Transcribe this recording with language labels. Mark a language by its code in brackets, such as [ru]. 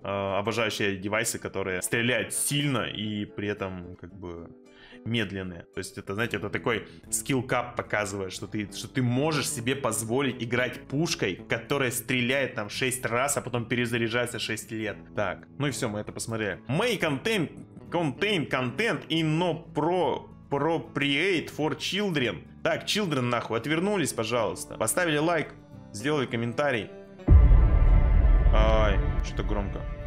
[ru] Обожающие девайсы, которые стреляют сильно и при этом как бы медленные. То есть это, знаете, это такой скиллкап показывает, что ты можешь себе позволить играть пушкой, которая стреляет там 6 раз, а потом перезаряжается 6 лет. Так, ну и все, мы это посмотрели. [en] May contain content in no pro... appropriate for children. [ru] Так, children, нахуй, отвернулись, пожалуйста. Поставили лайк, сделали комментарий. Ай, что-то громко.